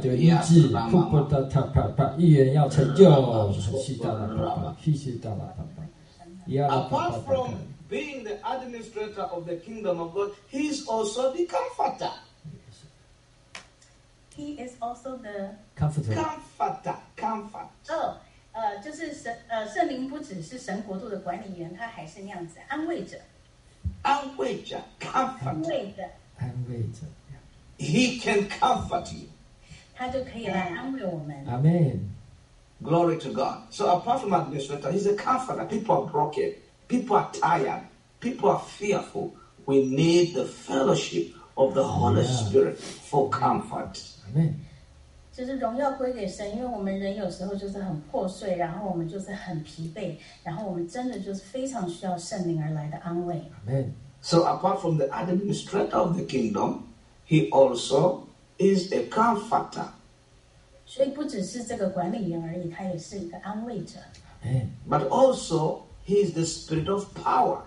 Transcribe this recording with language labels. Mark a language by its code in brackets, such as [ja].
[zh] 得医治，库布达塔帕帕，预言要成就，西达拉帕帕，西西达拉帕帕，亚拉帕帕。 [en] Being the administrator of the kingdom of God, he is also the comforter. He is also the comforter. Comforter, comfort. [zh] Oh, 就是神圣灵不只是神国度的管理员，他还是那样子安慰者。安慰者 comfort. 安慰的安慰者 [en] He can comfort you. Amen. Glory to God. So apart from administrator, he's a comforter. People are broken. People are tired. People are fearful. We need the fellowship of the Holy Spirit for comfort. Amen. [zh] 就是荣耀归给神，因为我们人有时候就是很破碎，然后我们就是很疲惫，然后我们真的就是非常需要圣灵而来的安慰。 [en] Amen. So apart from the administrator of the kingdom, he also is a comforter. [zh] 所以不只是这个管理员而已，他也是一个安慰者。 [en] Amen. But also, he is the spirit of power.